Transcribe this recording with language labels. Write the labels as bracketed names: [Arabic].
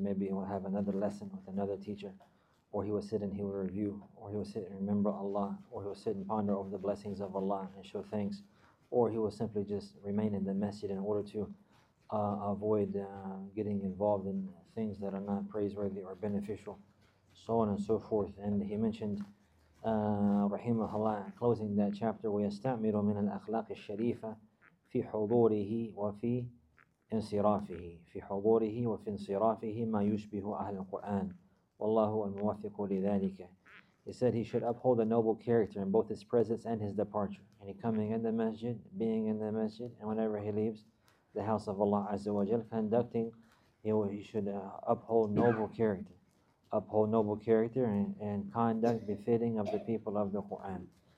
[English] Maybe he will have another lesson with another teacher, or he will sit and he will review, or he will sit and remember Allah, or he will sit and ponder over the blessings of Allah and show thanks, or he will simply just remain in the masjid in order to avoid getting involved in things that are not praiseworthy or beneficial, so on and so forth. And he mentioned, rahimahullah, closing that chapter, [Arabic] وَيَسْتَعْمِرُ مِنَ الْأَخْلَاقِ الشَّرِيفَةِ فِي حُضُورِهِ وَفِي إِنْصِرَافِهِ فِي حُضُورِهِ وَفِي إِنْصِرَافِهِ مَا يُشْبِهُ أَهْلَ الْقُرْآنِ وَاللَّهُ الْمُوَفِّقُ لِذَلِكَ. [English] He said he should uphold a noble character in both his presence and his departure, and he coming in the masjid, being in the masjid, and whenever he leaves the house of Allah Azza wa Jal, conducting, he should uphold noble character. Uphold noble character and conduct befitting of the people of the Qur'an.